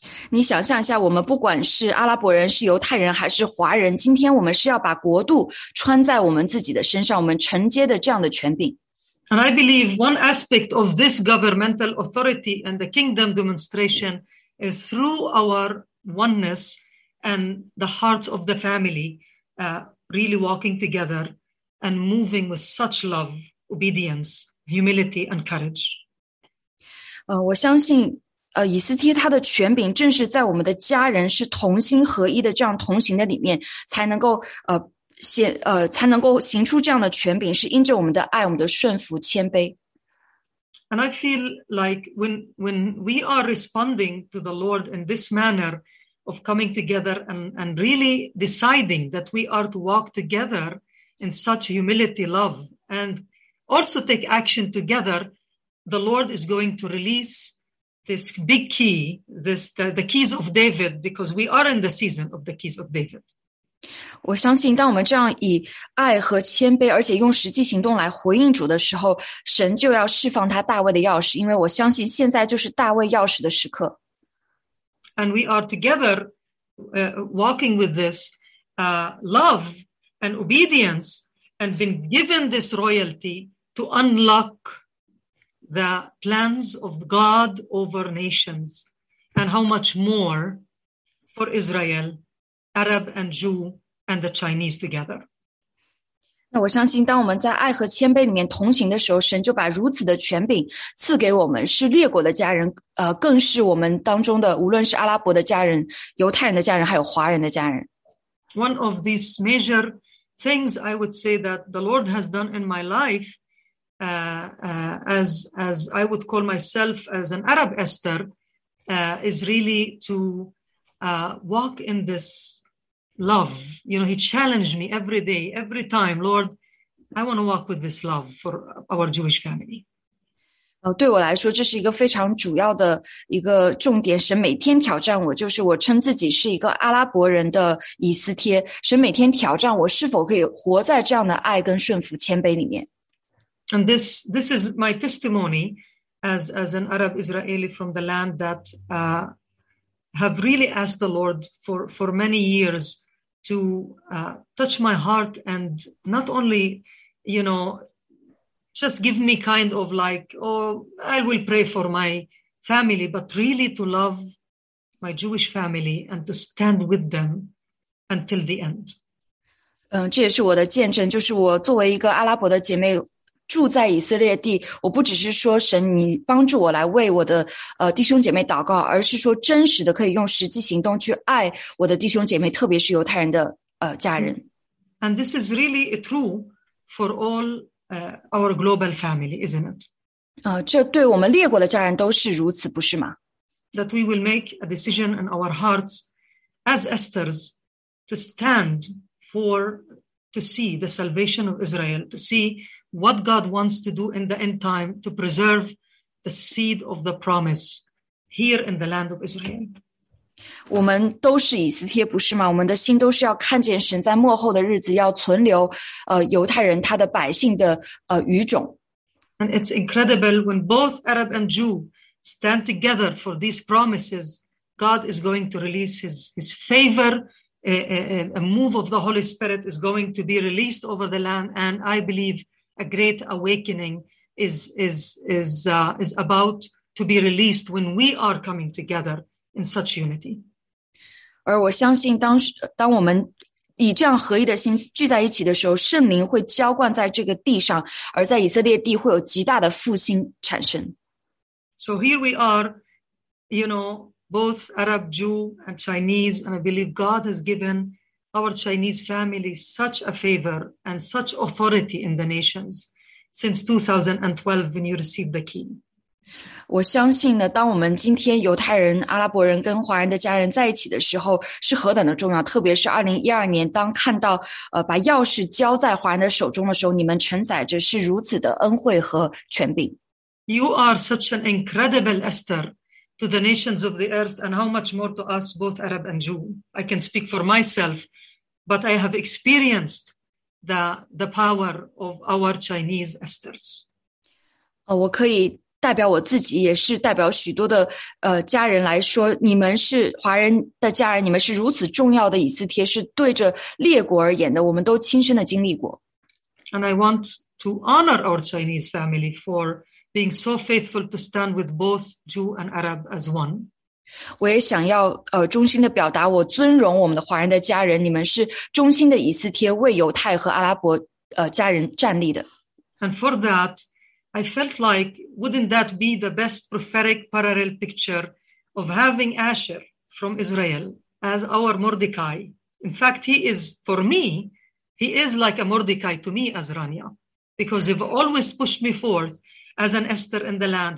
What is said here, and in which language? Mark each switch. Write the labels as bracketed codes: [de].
[zh] 你想象一下，我们不管是阿拉伯人、是犹太人还是华人，今天我们是要把国度穿在我们自己的身上，我们承接的这样的权柄。 [en] And I believe one aspect of this governmental authority and the kingdom demonstration is through our oneness and the hearts of the family, really walking together and moving with such love, obedience, humility, and courage. [zh] 我相信。以斯帖他的权柄正是在我们的家人是同心合一的这样同行的里面才能够才能够行出这样的权柄是因着我们的爱我们的顺服谦卑。 [en] And I feel like when we are responding to the Lord in this manner of coming together and really deciding that we are to walk together in such humility, love, and also take action together, the Lord is going to releasethis big key, the keys of David, because we are in the season of the keys of David. [zh] 我相信当我们这样以爱和谦卑而且用实际行动来回应主的时候神就要释放他大卫的钥匙因为我相信现在就是大卫钥匙的时刻。 [en] And we are together, walking with this, love and obedience and been given this royalty to unlock... the plans of God over nations, and how much more for Israel, Arab and Jew, and the Chinese together. [zh] 那我相信，当我们在爱和谦卑里面同行的时候，神就把如此的权柄赐给我们，是列国的家人，更是我们当中的，无论是阿拉伯的家人、犹太人的家人，还有华人的家人。 [en] One of these major things I would say that the Lord has done in my life. As I would call myself as an Arab Esther, is really to walk in this love. You know, he challenged me every day, every time, Lord, I want to walk with this love for our Jewish family. [zh] 对我来说，这是一个非常主要的一个重点。神每天挑战我，就是我称自己是一个阿拉伯人的以斯帖。神每天挑战我是否可以活在这样的爱跟顺服谦卑里面。 [en] And this is my testimony as an Arab Israeli from the land that have really asked the Lord for many years to touch my heart and not only, you know, just give me kind of like, oh, I will pray for my family, but really to love my Jewish family and to stand with them until the end. [zh] 这也是我的见证，就是我作为一个阿拉伯的姐妹。住在以色列地，我不只是说神，你帮助我来为我的弟兄姐妹祷告，而是说真实的可以用实际行动去爱我的弟兄姐妹，特别是犹太人的家人。 [en] And this is really true for all our global family, isn't it? [zh] 这对我们列国的家人都是如此，不是吗 [en] ？That we will make a decision in our hearts as Esthers to stand for to see the salvation of Israel, to see. What God wants to do in the end time to preserve the seed of the promise here in the land of Israel. [zh] 我们都是以斯帖，不是吗？我们的心都是要看见神在末后的日子要存留，犹太人他的百姓的余种。 [en] And it's incredible when both Arab and Jew stand together for these promises, God is going to release His favor. A move of the Holy Spirit is going to be released over the land, and I believe. A great awakening is about to be released when we are coming together in such unity. [zh] 而我相信当我们以这样合一的心聚在一起的时候，圣灵会浇灌在这个地上，而在以色列地会有极大的复兴产生。 [en] So here we are, you know, both Arab, Jew, and Chinese, and I believe God has given. Our Chinese family such a favor and such authority in the nations. since 2012 when you received the key. [zh] 我相信呢，当我们今天犹太人、阿拉伯人跟华人的家人在一起的时候，是何等的重要。特别是2012年，当看到把钥匙交在华人的手中的时候，你们承载着是如此的恩惠和权柄。 [en] You are such an incredible Esther to the nations of the earth, and how much more to us, both Arab and Jew. I can speak for myself, but I have experienced the power of our Chinese Esthers. [zh] 我可以代表我自己，也是代表许多的家人来说，你们是华人的家人，你们是如此重要的以斯帖，是对着列国而言的，我们都亲身的经历过。 [en] And I want to honor our Chinese family for being so faithful to stand with both Jew and Arab as one. [zh] 我也想要衷心的表达我尊荣我们的华人的家人，你们是衷心的以斯帖，为犹太和阿拉伯家人站立的。 [en] And for that,I felt like, wouldn't that be the best prophetic parallel picture of having Asher from Israel as our Mordecai? In fact, he is like a Mordecai to me as Rania, because he's always pushed me forth as an Esther in the land.